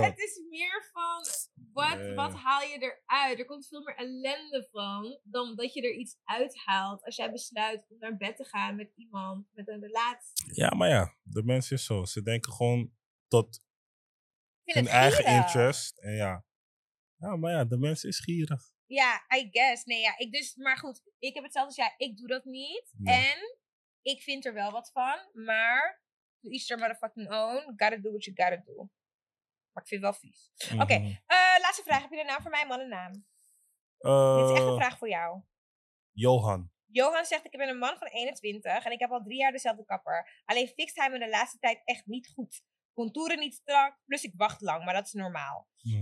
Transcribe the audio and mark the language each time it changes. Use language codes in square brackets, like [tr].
[nl] Ja, het is meer van, wat haal je eruit? Er komt veel meer ellende van dan dat je er iets uithaalt als jij besluit om naar bed te gaan met iemand, met een relatie. Ja, maar ja, de mensen is zo. Ze denken gewoon tot hun eigen interest. En ja. Ja, maar ja, de mens is gierig. [en] Ja, I guess. [nl] Nee, ja, ik dus, maar goed, ik heb hetzelfde als jij. Ik doe dat niet. Nee. En ik vind er wel wat van. [en] Maar, you eat your motherfucking own. Gotta do what you gotta do. [nl] Maar ik vind het wel vies. Mm-hmm. Oké, laatste vraag. Heb je een naam voor mij, man een naam? Dit is echt een vraag voor jou. Johan. Johan zegt, ik ben een man van 21 en ik heb al 3 jaar dezelfde kapper. Alleen fixt hij me de laatste tijd echt niet goed. Contouren niet strak, plus ik wacht lang, maar dat is normaal. Mm-hmm.